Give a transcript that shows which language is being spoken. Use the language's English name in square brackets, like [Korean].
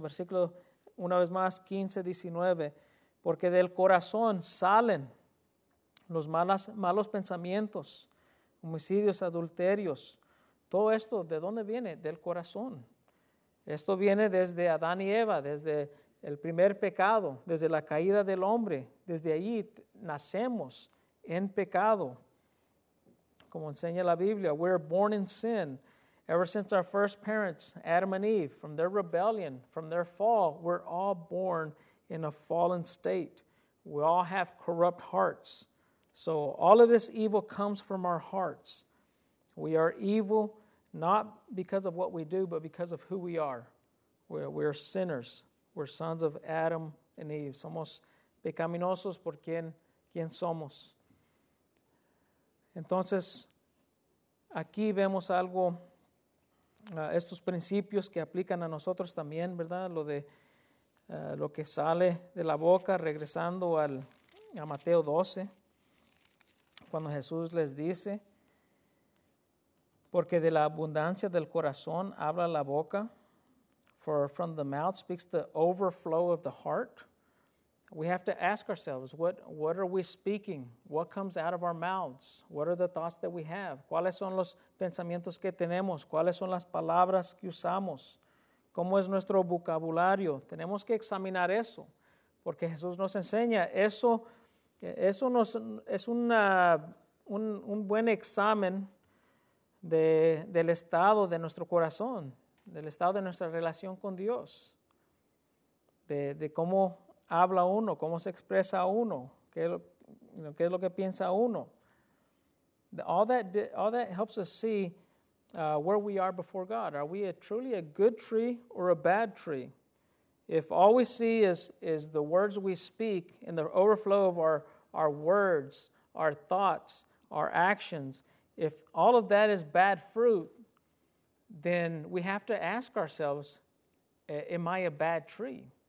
[Spanish] Versículo, una vez más, 15, 19. Porque del corazón salen los malos pensamientos, homicidios, adulterios. Todo esto, ¿de dónde viene? Del corazón. Esto viene desde Adán y Eva, desde el primer pecado, desde la caída del hombre. Desde ahí nacemos en pecado, como enseña la Biblia. [English] We're born in sin. Ever since our first parents, Adam and Eve, from their rebellion, from their fall, we're all born in a fallen state. We all have corrupt hearts. So all of this evil comes from our hearts. We are evil not because of what we do, but because of who we are. We're sinners. We're sons of Adam and Eve. [Spanish] Somos pecaminosos por quien somos. Entonces, aquí vemos algo, estos principios que aplican a nosotros también, ¿verdad? Lo de lo que sale de la boca, regresando a Mateo 12, cuando Jesús les dice, porque de la abundancia del corazón habla la boca. [English] For from the mouth speaks the overflow of the heart. We have to ask ourselves, what are we speaking? What comes out of our mouths? What are the thoughts that we have? [Spanish] ¿Cuáles son los pensamientos que tenemos? ¿Cuáles son las palabras que usamos? ¿Cómo es nuestro vocabulario? Tenemos que examinar eso, porque Jesús nos enseña. Eso nos, es un buen examen del estado de nuestro corazón, del estado de nuestra relación con Dios, de cómo habla uno, cómo se expresa uno, qué es lo que piensa uno. [English] All that helps us see where we are before God. Are we truly a good tree or a bad tree? If all we see is the words we speak and the overflow of our words, our thoughts, our actions, if all of that is bad fruit, then we have to ask ourselves, am I a bad tree?